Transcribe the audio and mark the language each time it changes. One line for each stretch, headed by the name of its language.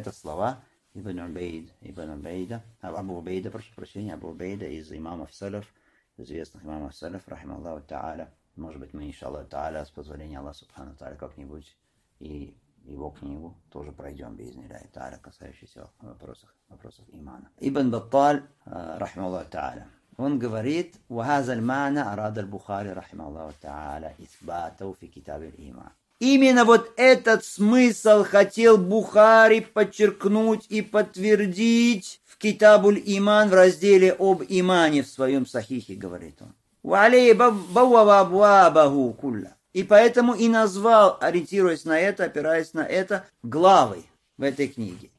Russian: Это слова Ибн Убейд, Ибн Убейда, Абу Убейда, прошу прощения, Абу Убейда из имамов Салаф, известных имамов Салаф, рахима Аллаху Та'аля. Может быть, мы, иншаллаху Та'аля, с позволения Аллаха Субхану Та'аля, как-нибудь и его книгу тоже пройдем без нилляхи та'аля, касающийся вопросов имана. Ибн Батталь, рахима Аллаху Та'аля, он говорит,
Arabic: وَهَذَا الْمَعْنَا أَرَادَ الْبُخَارِ رَحِمَ اللَّهُ تَعَالَى إِثْبَاتَهُ فِي كِتَابِ الْإِيمَانِ.
Russian: Именно вот этот смысл хотел Бухари подчеркнуть и подтвердить в Китабуль-Иман, в разделе об имане в своем сахихе, говорит он.
Arabic: وَعَلَيْهِ بَوَّابَهُ كُلَّ.
Russian: И поэтому и назвал, ориентируясь на это, опираясь на это, главы в этой книге.